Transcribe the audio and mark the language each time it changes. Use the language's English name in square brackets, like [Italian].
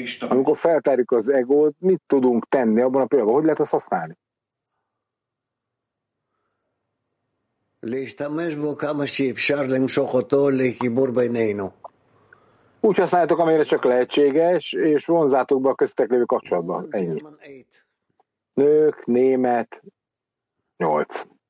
[Hungarian] Amikor feltárjuk az egót, mit tudunk tenni abban a pillanatban? Hogy lehet ezt használni? [Hebrew] להשתמש בו כמה שאפשר למשוך אותו לחיבור בינינו. [Hungarian] Úgy használjátok, amelyre csak lehetséges, és vonzátok be a köztetek lévő kapcsolatban. Ennyi. Nők, német, 8.